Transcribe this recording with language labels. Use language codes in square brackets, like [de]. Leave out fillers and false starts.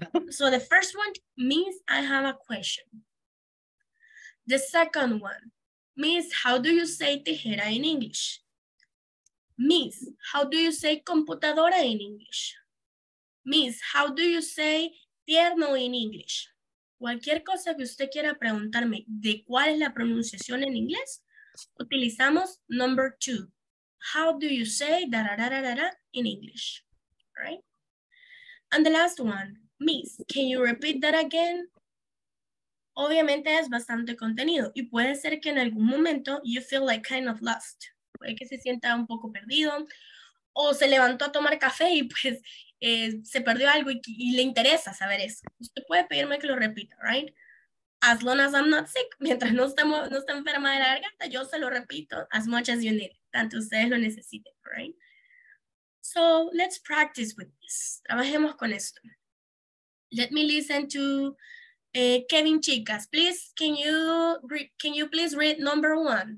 [en] So the first one, Miss, I have a question. The second one, Miss, how do you say tijera in English? Miss, how do you say computadora in English? Miss, how do you say tierno in English? [es] Cualquier cosa que usted quiera preguntarme de cuál es la pronunciación en inglés, utilizamos [en] number two. How do you say da-ra-ra-ra-ra-ra in English, right? And the last one, Miss, can you repeat that again? [es] Obviamente es bastante contenido y puede ser que en algún momento [en] you feel like kind of lost. [es] Puede que se sienta un poco perdido o se levantó a tomar café y pues se perdió algo y le interesa saber eso. Usted puede pedirme que lo repita, right? [en] As long as I'm not sick, [es] mientras no está enferma de la garganta, yo se lo repito [en] as much as you need it. [es] Tanto ustedes lo necesiten, right? [en] So let's practice with this. [es] Trabajemos con esto. [en] Let me listen to Kevin Chicas. Please, can you please read number one?